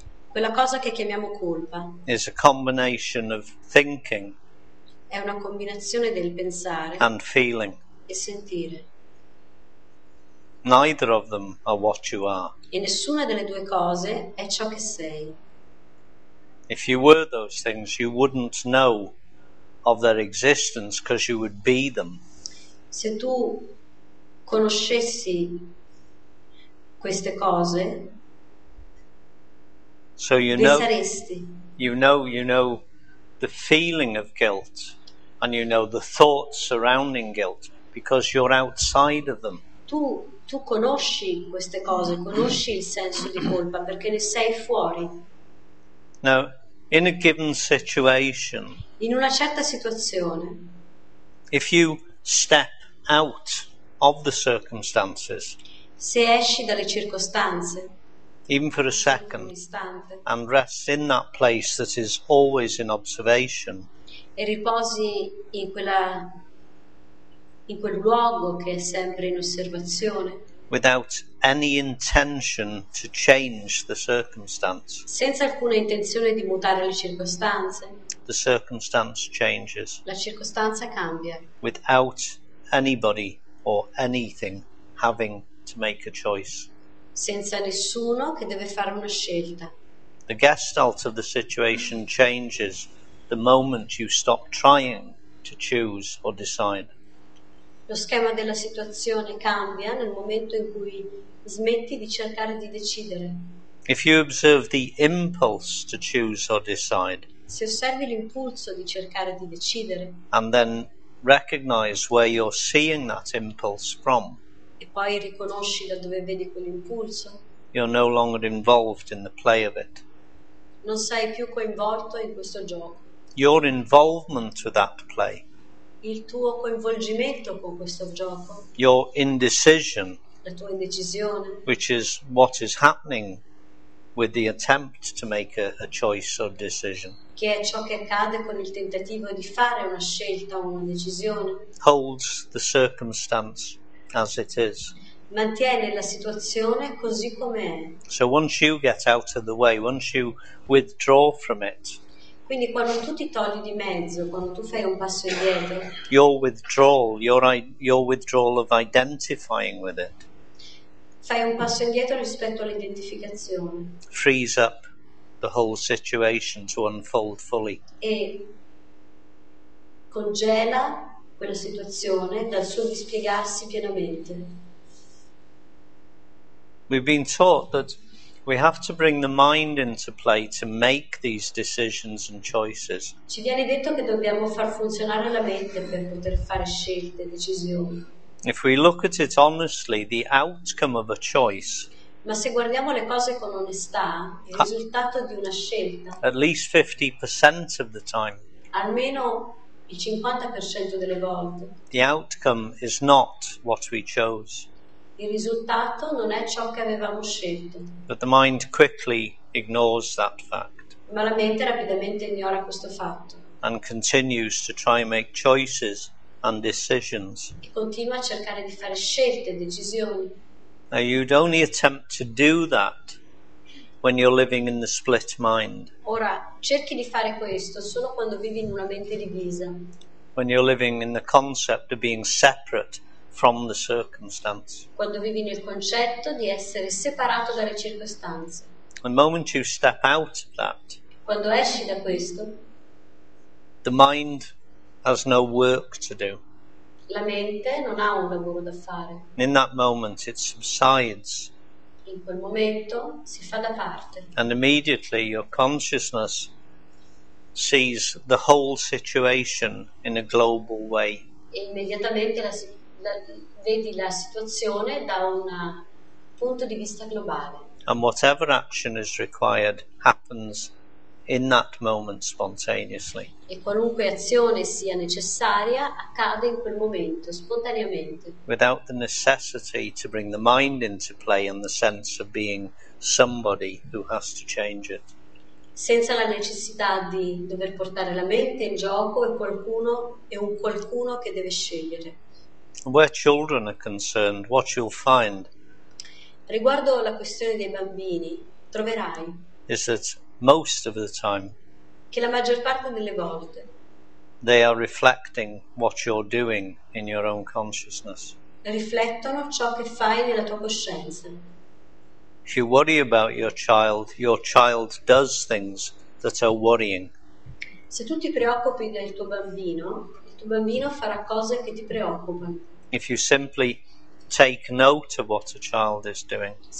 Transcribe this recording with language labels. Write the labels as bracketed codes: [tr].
[it] quella cosa che chiamiamo colpa, [en] is a combination of thinking, [it] è una combinazione del pensare, [en] and feeling, [it] e sentire. [en] Neither of them are what you are. [it] E nessuna delle due cose è ciò che sei. [en] If you were those things, you wouldn't know of their existence because you would be them. [it] Se tu conoscessi queste cose, [en] so you know the feeling of guilt, and you know the thoughts surrounding guilt because you're outside of them. [it] Tu conosci queste cose, conosci il senso di colpa perché ne sei fuori. [en] Now, in a given situation, [it] in una certa situazione, [en] if you step out of the circumstances, [it] se esci dalle circostanze, [en] even for a second, and rest in that place that is always in observation, [it] e riposi in quella, in quel luogo che è sempre in osservazione, [en] without any intention to change the circumstance, [it] senza alcuna intenzione di mutare le circostanze, [en] the circumstance changes, [it] la circostanza cambia, [en] without anybody or anything having to make a choice, [it] senza nessuno che deve fare una scelta. [en] The gestalt of the situation changes the moment you stop trying to choose or decide. [it] Lo schema della situazione cambia nel momento in cui smetti di cercare di decidere. [en] If you observe the impulse to choose or decide, [it] se osservi l'impulso di cercare di decidere, [en] and then recognize where you're seeing that impulse from, [it] e poi riconosci da dove vedi quell'impulso, [en] you're no longer involved in the play of it. [it] Non sei più coinvolto in questo gioco. [en] Your involvement with that play, [it] il tuo coinvolgimento con questo gioco, [en] your indecision, [it] la tua indecisione, [en] which is what is happening with the attempt to make a choice or decision, [it] che è ciò che accade con il tentativo di fare una scelta o una decisione, [en] holds the circumstance as it is. [it] Mantiene la situazione così com'è. [en] So once you get out of the way, once you withdraw from it, [it] quindi quando tu ti togli di mezzo, quando tu fai un passo indietro, [en] your withdrawal of identifying with it, [it] fai un passo indietro rispetto all'identificazione, [en] frees up the whole situation to unfold fully, [it] e congela quella situazione dal suo dispiegarsi pienamente. [en] We've been taught that we have to bring the mind into play to make these decisions and choices. [it] Ci viene detto che dobbiamo far funzionare la mente per poter fare scelte, decisioni. [en] If we look at it honestly, the outcome of a choice, [it] ma se guardiamo le cose con onestà, il risultato di una scelta, [en] at least 50% of the time, [it] almeno il 50% delle volte, [en] the outcome is not what we chose. [it] Il risultato non è ciò che avevamo scelto. [en] But the mind quickly ignores that fact. [it] Ma la mente rapidamente ignora questo fatto. [en] And continues to try and make choices and decisions. [it] E continua a cercare di fare scelte e decisioni. [en] Now you'd only attempt to do that when you're living in the split mind. [it] Ora cerchi di fare questo solo quando vivi in una mente divisa. [en] When you're living in the concept of being separate from the circumstance. [it] Quando vivi nel concetto di essere separato dalle circostanze. [en] The moment you step out of that, [it] quando esci da questo, [en] the mind has no work to do. [it] La mente non ha un lavoro da fare. [en] In that moment it subsides. [it] In quel momento si fa da parte. [en] And immediately your consciousness sees the whole situation in a global way. [it] E immediatamente vedi la situazione da un punto di vista globale. [en] And whatever action is required happens in that moment spontaneously. [it] E qualunque azione sia necessaria accade in quel momento spontaneamente. [en] Without the necessity to bring the mind into play and the sense of being somebody who has to change it. [it] Senza la necessità di dover portare la mente in gioco e qualcuno è un qualcuno che deve scegliere. [en] Where children are concerned, what you'll find, [it] riguardo la questione dei bambini, troverai, [en] is that most of the time, [it] che la maggior parte delle volte, [en] they are reflecting what you're doing in your own consciousness. [it] Riflettono ciò che fai nella tua coscienza. [en] If you worry about your child does things that are worrying. [it] Se tu ti preoccupi del tuo bambino, il tuo bambino farà cose che ti preoccupano. [en] If you simply take note of what a child is doing.